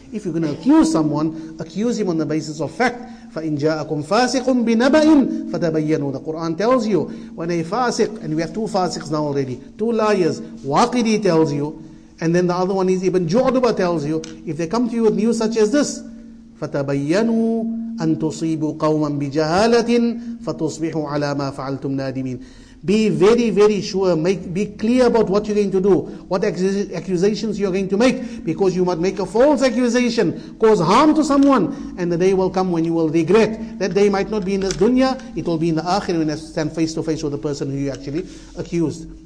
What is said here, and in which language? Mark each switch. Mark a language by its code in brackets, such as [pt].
[en] If you're going to accuse someone, accuse him on the basis of fact. [ar] فَإِن جَاءَكُمْ فَاسِقٌ بِنَبَئٍ فَتَبَيَّنُوا. [en] The Quran tells you, when a fasiq, and we have two fasiqs now already, two liars, Waqidi tells you, and then the other one is Ibn Ju'duba tells you, if they come to you with news such as this, فَتَبَيَّنُوا [ar] أن تصيبوا قوما بجهالة فتصبحوا على ما فعلتم نادمين. [en] Be very, very sure. Be clear about what you're going to do, what accusations you're going to make, because you might make a false accusation, cause harm to someone, and the day will come when you will regret. That day might not be in this dunya, it will be in the akhirah when you stand face to face with the person who you actually accused.